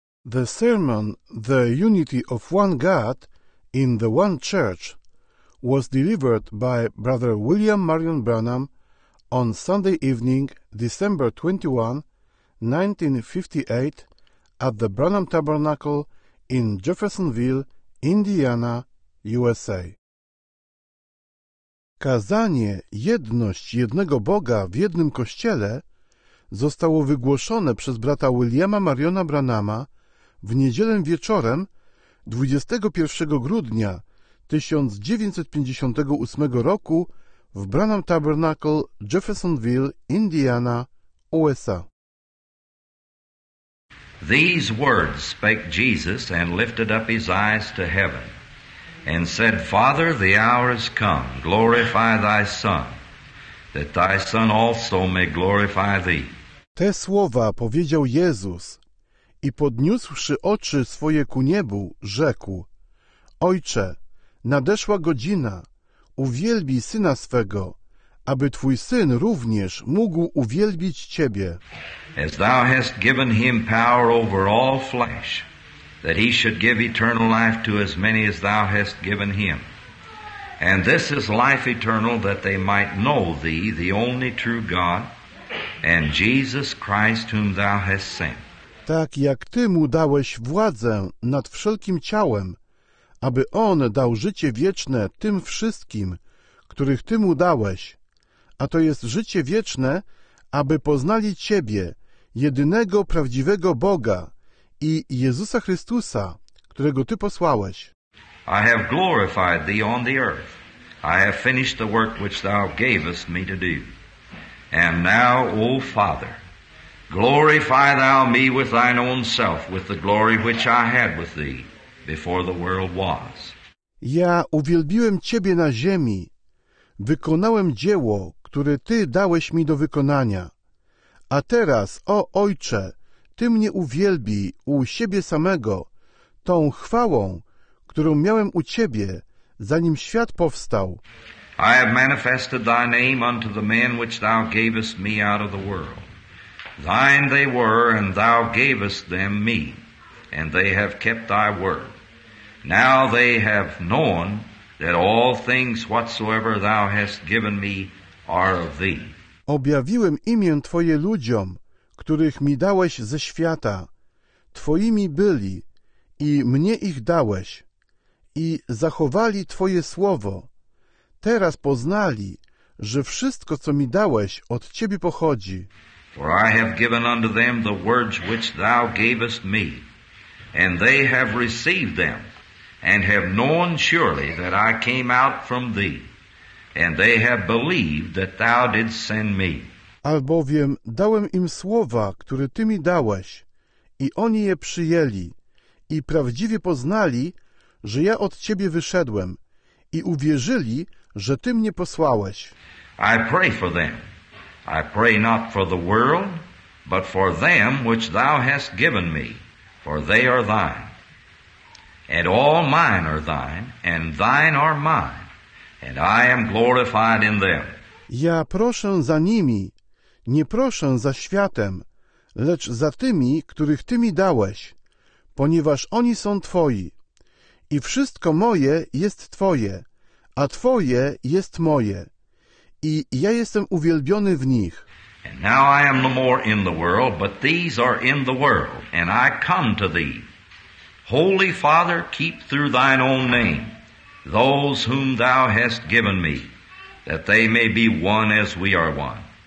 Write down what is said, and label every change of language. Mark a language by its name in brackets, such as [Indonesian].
[English] The sermon, "The Unity of One God in the One Church," was delivered by Brother William Marion Branham on Sunday evening, December 21, 1958, at the Branham Tabernacle in Jeffersonville, Indiana, USA. [Polish] Kazanie "Jedność jednego Boga w jednym Kościele" zostało wygłoszone przez brata Williama Mariona Branhama w niedzielę wieczorem 21 grudnia 1958 roku w Branham Tabernacle, Jeffersonville, Indiana, USA. [English] These words spake Jesus and lifted up his eyes to heaven and said, Father, the hour is come, glorify thy Son, that thy Son also may glorify thee. [Polish] Te słowa powiedział Jezus i podniósłszy oczy swoje ku niebu, rzekł: Ojcze, nadeszła godzina, uwielbij Syna swego, aby Twój Syn również mógł uwielbić Ciebie. [English] As Thou hast given Him power over all flesh, that He should give eternal life to as many as Thou hast given Him. And this is life eternal, that they might know Thee, the only true God, and Jesus Christ, whom Thou hast sent. [Polish] Tak jak Ty mu dałeś władzę nad wszelkim ciałem, aby on dał życie wieczne tym wszystkim, których Ty mu dałeś, a to jest życie wieczne, aby poznali Ciebie, jedynego prawdziwego Boga i Jezusa Chrystusa, którego Ty posłałeś. [English] I have glorified Thee on the earth. I have finished the work which Thou gavest me to do. And now, O Father, glorify Thou me with Thine own self, with the glory which I had with Thee before the world was. [Polish] Ja uwielbiłem Ciebie na ziemi, wykonałem dzieło, które Ty dałeś mi do wykonania. A teraz, o Ojcze, Ty mnie uwielbij u siebie samego, tą chwałą, którą miałem u Ciebie, zanim świat powstał. [English] I have manifested Thy name unto the men which Thou gavest me out of the world. Thine they were, and Thou gavest them me, and they have kept Thy word. Now they have known that all things whatsoever Thou hast given me are of Thee. [Polish] Objawiłem imię Twoje ludziom, których mi dałeś ze świata. Twoimi byli i mnie ich dałeś i zachowali Twoje słowo. Teraz poznali, że wszystko, co mi dałeś, od Ciebie pochodzi. [English] For I have given unto them the words which Thou gavest me, and they have received them, and have known surely that I came out from Thee, and they have believed that Thou didst send me. [Polish] Albowiem dałem im słowa, które Ty mi dałeś, i oni je przyjęli, i prawdziwie poznali, że ja od Ciebie wyszedłem, i uwierzyli, że Ty mnie posłałeś. [English] I pray for them. I pray not for the world, but for them which Thou hast given me, for they are Thine. And all mine are Thine, and Thine are mine, and I am glorified in them. [Polish] Ja proszę za nimi, nie proszę za światem, lecz za tymi, których Ty mi dałeś, ponieważ oni są Twoi. I wszystko moje jest Twoje, a Twoje jest moje. I ja jestem uwielbiony w nich. [English] And now I am no more in the world, but these are in the world, and I come to Thee. Holy Father, keep through Thine own name those whom Thou hast given me, that they may be one as we are one.